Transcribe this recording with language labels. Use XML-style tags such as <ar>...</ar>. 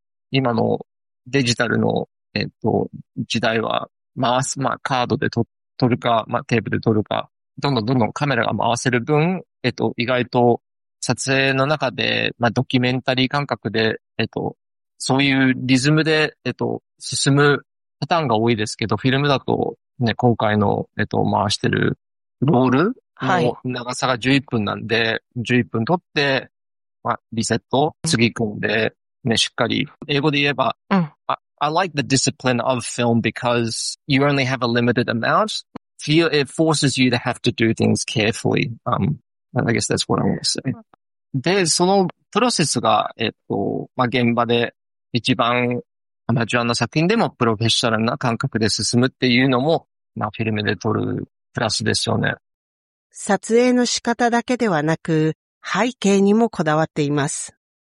<ja>今のデジタルの、時代は、回す、まあ、カードで撮るか、まあ、テープで撮るか、どんどんカメラが回せる分、意外と撮影の中で、まあ、ドキュメンタリー感覚で、そういうリズムで、進むパターンが多いですけど、フィルムだと、ね、今回の、回してるロールの長さが11分なんで、はい、 11分撮って、まあ、リセット、次込んで、ね、しっかり、英語で言えば、うん、</ja> <en>I like the discipline of film because you only have a limited amount. It forces you to have to do things carefully. I guess that's what I want to say.</en> <ja>で、そのプロセスが、まあ、現場で一番アマチュアの作品でもプロフェッショナルな感覚で進むっていうのも、まあ、フィルムで撮るプラスですよね。撮影の仕方だけではなく、背景にもこだわっています。</ja>